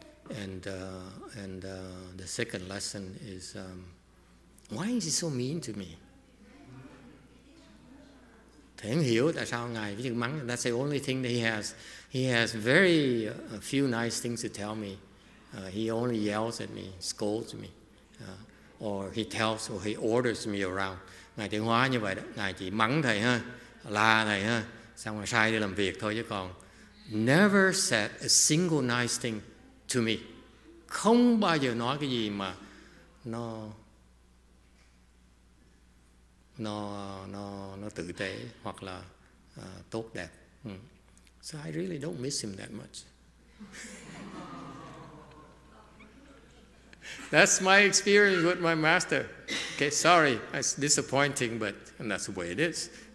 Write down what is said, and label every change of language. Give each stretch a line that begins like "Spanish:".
English: And the second lesson is why is he so mean to me?
Vietnamese: Thế anh hiểu tại sao ngài cứ mắng.
English: That's the only thing that he has. He has very a few nice things to tell me. He only yells at me, scolds me. Or he tells or he orders me around.
Vietnamese: Ngài tiếng Hoa như vậy đó. Ngài chỉ mắng thầy ha, la thầy ha, xong rồi sai đi làm việc thôi chứ còn
English: never said a single nice thing to me.
Vietnamese: Không bao giờ nói cái gì mà nó tử tế hoặc là tốt đẹp.
English: So I really don't miss him that much. That's my experience with my master. Okay, sorry, it's disappointing, but and that's the way it is.